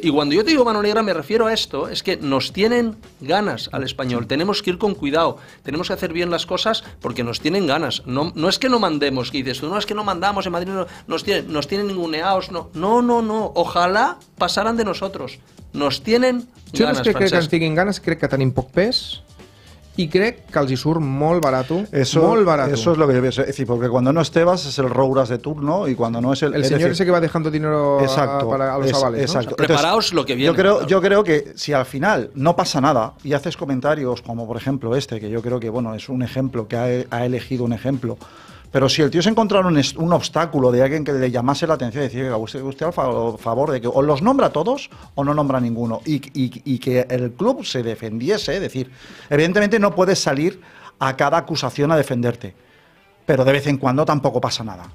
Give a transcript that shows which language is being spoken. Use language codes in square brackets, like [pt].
[es] Y cuando yo te digo mano negra me refiero a esto, es que nos tienen ganas al Español. Tenemos que ir con cuidado, tenemos que hacer bien las cosas porque nos tienen ganas. No es que no mandemos, que dices tú, no es que no mandamos en Madrid, nos tienen ninguneados. No, ojalá pasaran de nosotros. Nos tienen yo ganas, Francesc. [ca] Crec que ens tinguin ganes, crec que tenim poc pes y crec que els hi surt molt barato. [es] Eso, [ca] molt barato. [es] Eso es lo que yo pienso. Es decir, porque cuando no es Tebas es el Rouras de turno y cuando no es el... El señor ese que va dejando dinero para los avales. Exacto. ¿No? O sea, preparaos lo que viene. Yo creo que si al final no pasa nada y haces comentarios como por ejemplo este, que yo creo que bueno, es un ejemplo, que ha elegido un ejemplo, pero si el tío se encontrara un obstáculo de alguien que le llamase la atención y decía, usted al favor de que o los nombra a todos o no nombra a ninguno y que el club se defendiese, es decir, evidentemente no puedes salir a cada acusación a defenderte, pero de vez en cuando tampoco pasa nada.